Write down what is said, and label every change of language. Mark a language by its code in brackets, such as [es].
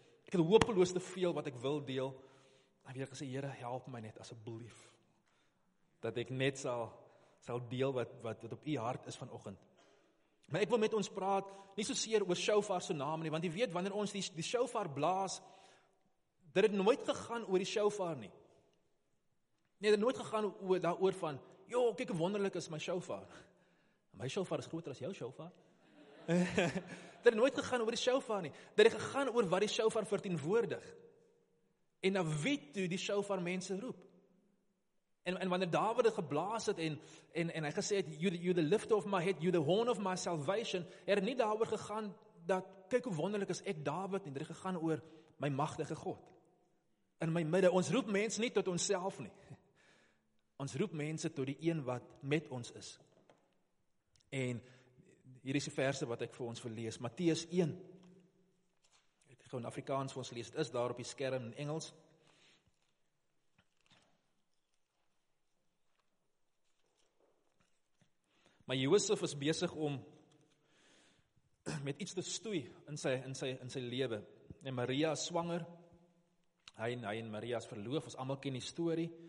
[af] Ek het hopeloos te veel wat ek wil deel. En weer gesê, Here, help my net asseblief. Dat ek net sal deel wat op u hart is vanoggend. Maar ek wil met ons praat, nie soseer oor shofar se naam nie, want jy weet, wanneer ons die shofar blaas, dit het nooit gegaan oor die shofar nie. Nee, dit het nooit gegaan daaroor van, jo, kyk hoe wonderlik is my shofar. My shofar is groter as jou shofar. Dit het nooit gegaan oor die shofar nie. Dit het gegaan oor wat die shofar verteenwoordig. En na wie toe die shofar mense roep. En wanneer Dawid het geblaas het en hy gesê het, [en] you the lift of my head, you the horn of my salvation, [af] het nie daaroor gegaan dat, kyk hoe wonderlik is ek Dawid nie. Dit het gegaan oor my magtige God. In my midde, ons roep mense nie tot onsself nie. Ons roep mense tot die een wat met ons is. En hier is die verse wat ek vir ons wil lees. Matteus 1. Ek gaan in Afrikaans vir ons lees. Het is daar op die skerm in Engels. Maar Josef is besig om met iets te stoei in sy lewe. En Maria is swanger. Hy en Maria is verloof. Ons almal ken die story.